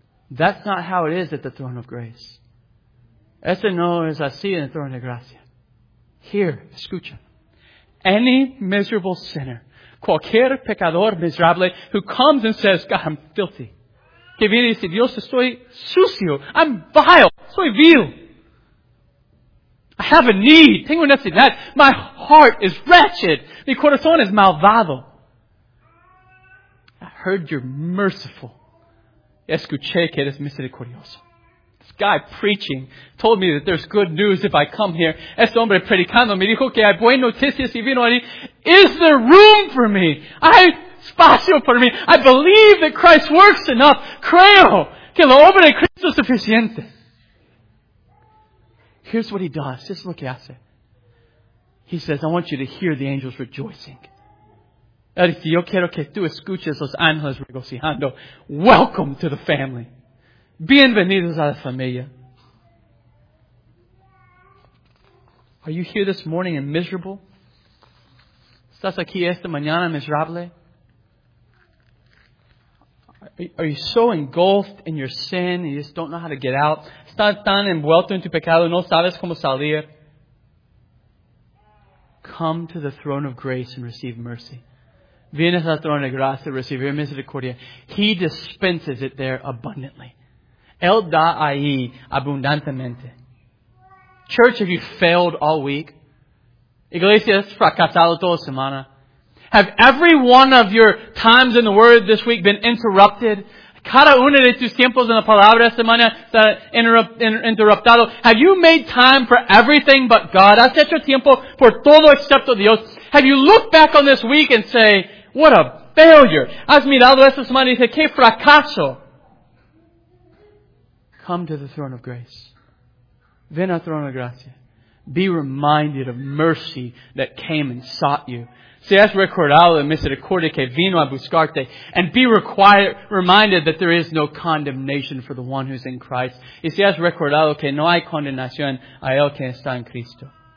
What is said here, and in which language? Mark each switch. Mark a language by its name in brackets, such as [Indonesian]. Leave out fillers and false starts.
[English] That's not how it is at the throne of grace. [Spanish] Ese no es así en el throne de gracia. [English] Here, [Spanish] escucha. [English] Any miserable sinner, [Spanish] cualquier pecador miserable [English] who comes and says, God, I'm filthy. [Spanish] que viene y dice, Dios, estoy sucio. [English] I'm vile. [Spanish] Soy vil. [English] I have a need. [Spanish] Tengo necesidad. [English] My heart is wretched. [Spanish] Mi corazón es malvado. [English] I heard you're merciful. [Spanish] Escuché que eres misericordioso. [English] This guy preaching told me that there's good news if I come here. [Spanish] Este hombre predicando me dijo que hay buenas noticias y vino allí. [English] Is there room for me? [Spanish] Hay espacio para mí. [English] I believe that Christ works enough. [Spanish] Creo que la obra de Cristo es suficiente. [English] Here's what he does. Just look at it. He says, I want you to hear the angels rejoicing. [Spanish] Él dice, yo quiero que tú escuches los ángeles regocijando. [English] Welcome to the family. [Spanish] Bienvenidos a la familia. [English] Are you here this morning and miserable? [Spanish] ¿Estás aquí esta mañana miserable? [English] Are you so engulfed in your sin and you just don't know how to get out? [Spanish] ¿Estás tan envuelto en tu pecado y no sabes cómo salir? [English] Come to the throne of grace and receive mercy. [Spanish] Vienes al trono de gracia, recibir misericordia. [English] He dispenses it there abundantly. [Spanish] Él da ahí abundantemente. [English] Church, have you failed all week? [Spanish] Iglesia, has fracasado toda semana. [English] Have every one of your times in the Word this week been interrupted? [Spanish] Cada uno de tus tiempos en la palabra esta semana está interruptado. [English] Have you made time for everything but God? [Spanish] ¿Has hecho tiempo por todo excepto Dios? [English] Have you looked back on this week and say, what a failure. [Spanish] Has mirado esta semana y dice, que fracaso. [English] Come to the throne of grace. [Spanish] Ven al trono de gracia. [English] Be reminded of mercy that came and sought you. [Spanish] Si has recordado la misericordia que vino a buscarte. [English] And be reminded that there is no condemnation for the one who is in Christ. [Spanish] Y si has recordado que no hay condenación a el que está en Cristo.